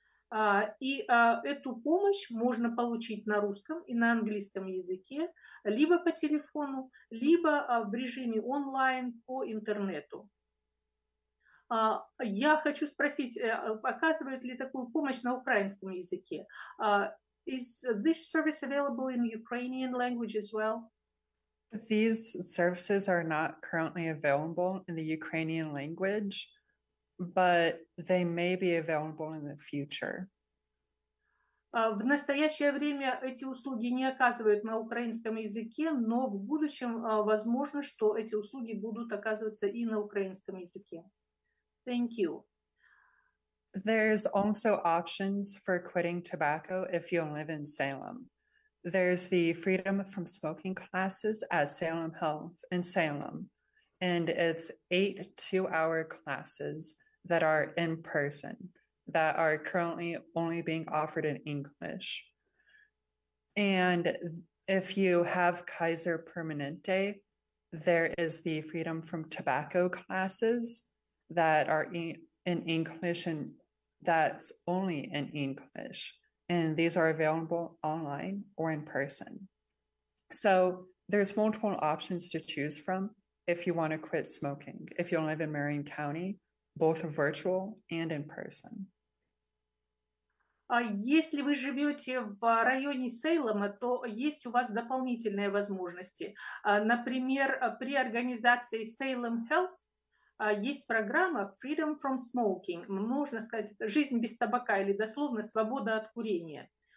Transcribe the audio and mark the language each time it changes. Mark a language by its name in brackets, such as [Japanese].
[Russian] Эту помощь можно получить на русском и на английском языке, либо по телефону, либо в режиме онлайн по интернету. Я хочу спросить, оказывает ли такую помощь на украинском языке? [English] Is this service available in Ukrainian language as well? These services are not currently available in the Ukrainian language, but they may be available in the future. [Russian] В настоящее время эти услуги не оказывают на украинском языке, но в будущем возможно, что эти услуги будут оказываться и на украинском языке. [English] Thank you. There's also options for quitting tobacco if you live in Salem. There's the Freedom from Smoking classes at Salem Health in Salem, and it's 8 2-hour classes that are in person that are currently only being offered in English. And if you have Kaiser Permanente, there is the Freedom from Tobacco classes that are in English and that's only in English. And these are available online or in person. So there's multiple options to choose from if you want to quit smoking. If you live in Marion County, both virtual and in person. [Russian] Если вы живете в районе Сейлема, то есть у вас дополнительные возможности. Например, при организации Salem Health есть программа Freedom from Smoking. Можно сказать, жизнь без табака или дословно свобода от курения.